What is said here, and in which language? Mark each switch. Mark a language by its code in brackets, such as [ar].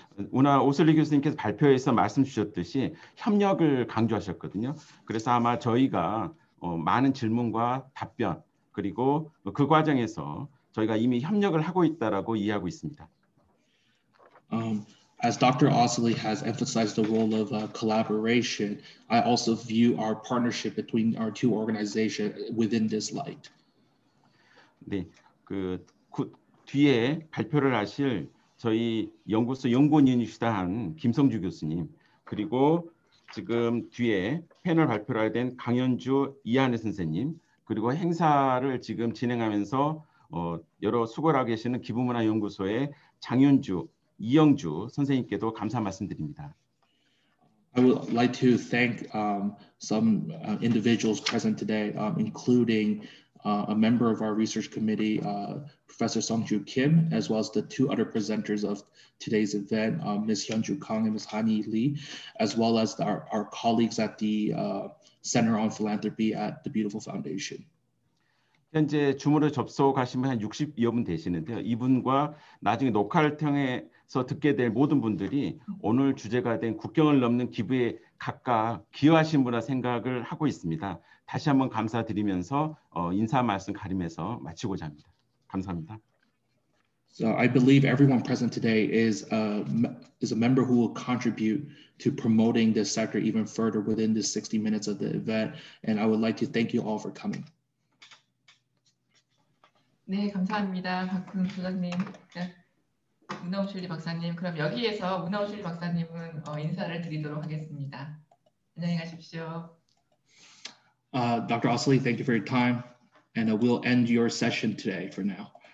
[ko] 우나 오슬리 교수님께서 발표에서 말씀 주셨듯이 협력을 강조하셨거든요. 그래서 아마 저희가 많은 질문과 답변 그리고 그 과정에서 저희가 이미 협력을 하고 있다라고 이해하고 있습니다. [en] As Dr. Osley has emphasized the role of collaboration, I also view our partnership between our two organizations within this light. [ko] 네, 그 뒤에 발표를 하실 저희 연구소 연구원이시다 한 김성주 교수님 그리고 지금 뒤에 패널 발표를 된 강현주 이한혜 선생님 그리고 행사를 지금 진행하면서 여러 수고하고 계시는 기부문화연구소의 장윤주, 이영주 선생님께도 감사 말씀드립니다. [en] I would like to thank some individuals present today, including a member of our research committee, Professor Songju Kim, as well as the two other presenters of today's event, Ms. Hyunju Kang and Ms. Hani Lee, as well as our colleagues at the Center on Philanthropy at the Beautiful Foundation. [ko] 현재 줌으로 접속하신 분 한 60여 분 되시는데요. 이분과 나중에 녹화를 통해서 듣게 될 모든 분들이 오늘 주제가 된 국경을 넘는 기부에 각각 기여하신 분이라 생각을 하고 있습니다. 다시 한번 감사드리면서 인사 말씀 가림해서 마치고자 합니다. 감사합니다. [en] So I believe everyone present today is a member who will contribute to promoting this sector even further within the 60 minutes of the event. And I would like to thank you all for coming. [ko] 네, 감사합니다. 박훈 소장님, 문화오실리 박사님. 그럼 여기에서 문화오실리 박사님은 인사를 드리도록 하겠습니다. 안녕히 가십시오. [en] Dr. Osley, thank you for your time. And we'll end your session today for now.